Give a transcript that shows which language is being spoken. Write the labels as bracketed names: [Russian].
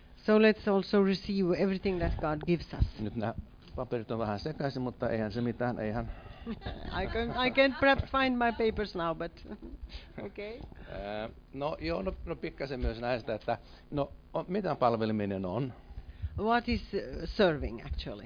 [English] So let's also receive everything that God gives us. [Finnish] Nyt nämä paperit on vähän sekaisin, mutta eihän se mitään, eihän. [English] I can't perhaps find my papers now, but okay. [Finnish] No pikkasen myös näistä, että no mitä palveleminen on? [English] What is serving actually?